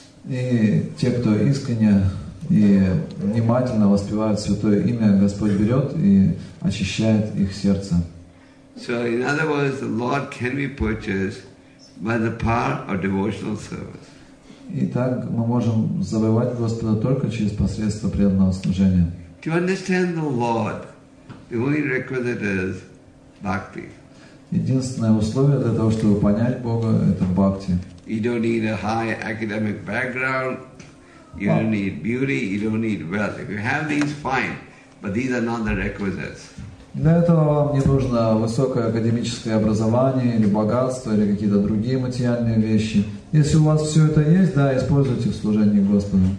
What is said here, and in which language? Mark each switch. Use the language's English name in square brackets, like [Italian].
[Russian] И те, кто искренне и внимательно воспевают святое имя, Господь берет и очищает их сердце. [English] So, in other words, the Lord can be purchased by the power of devotional service. [Russian] Итак, мы можем завоевать Господа только через посредство преданного служения. [English] To understand the Lord, the only requisite is bhakti. [Russian] Единственное условие для того, чтобы понять Бога, это бхакти. [English] You don't need a high academic background. You don't need beauty, you don't need wealth. If you have these, fine. But these are not the requisites. [Russian] Для этого вам не нужно высокое академическое образование, или богатство, или какие-то другие материальные вещи. Если у вас все это есть, да, используйте в служении Господу.